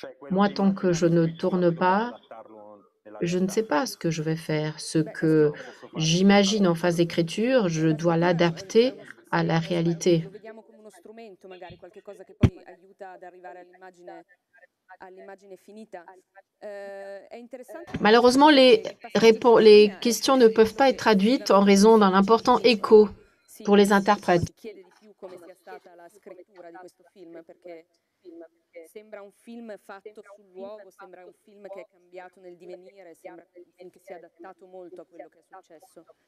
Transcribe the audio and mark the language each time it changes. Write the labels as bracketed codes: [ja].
[fr] Moi, tant que je ne tourne pas, je ne sais pas ce que je vais faire. Ce que j'imagine en phase d'écriture, je dois l'adapter à la réalité. [it] Magari qualche cosa che poi aiuta ad arrivare all'immagine finita. È interessante. [fr] Malheureusement, les questions ne peuvent pas être traduites en raison d'un important écho pour les interprètes. [it] Si chiede di più come sia stata la scrittura di questo film, perché sembra un film fatto sul luogo, sembra un film che è cambiato nel divenire, sembra che si è adattato molto a quello che è successo.